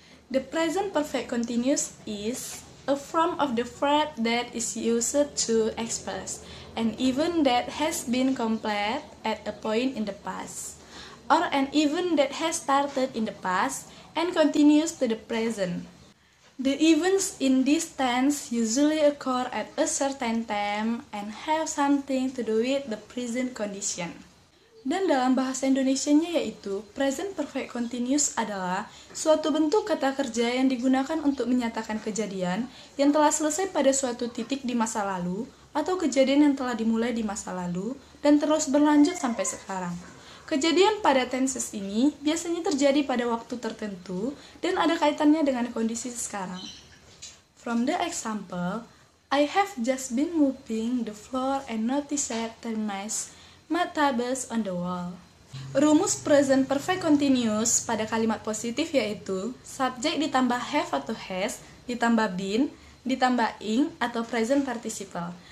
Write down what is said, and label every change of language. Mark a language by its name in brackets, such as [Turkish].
[English] The present perfect continuous is a form of the phrase that is used to express an event that has been complete at a point in the past, or an event that has started in the past and continues to the present. The events in this tense usually occur at a certain time and have something to do with the present condition. [Indonesian] Dan dalam bahasa Indonesianya yaitu, present perfect continuous adalah suatu bentuk kata kerja yang digunakan untuk menyatakan kejadian yang telah selesai pada suatu titik di masa lalu atau kejadian yang telah dimulai di masa lalu dan terus berlanjut sampai sekarang. Kejadian pada tenses ini biasanya terjadi pada waktu tertentu dan ada kaitannya dengan kondisi sekarang. [English] From the example, I have just been mopping the floor and noticed termites matabes on the wall. [Indonesian] Rumus present perfect continuous pada kalimat positif yaitu subjek ditambah have atau has ditambah been ditambah ing atau present participle.